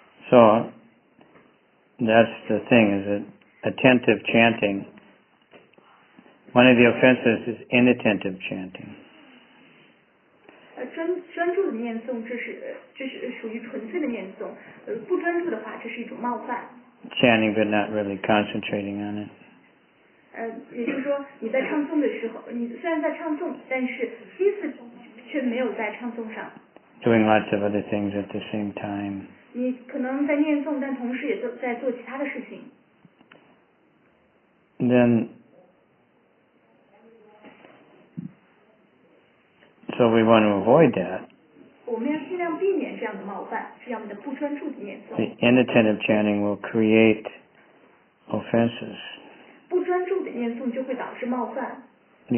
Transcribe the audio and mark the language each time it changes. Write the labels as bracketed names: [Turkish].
[English] So, that's the thing, is that attentive chanting, one of the offenses is inattentive chanting. Chanting but not really concentrating on it. [Chinese] 也就是说你在唱诵的时候你虽然在唱诵但是心思却没有在唱诵上 [English] doing lots of other things at the same time. [Chinese] 你可能在念诵但同时也在做其他的事情 [English] then so we want to avoid that. [Chinese] 我们要尽量避免这样的冒犯，这样的不专注的念诵。 [English] The inattentive chanting will create offenses. [Chinese] 不专注的念诵就会导致冒犯。The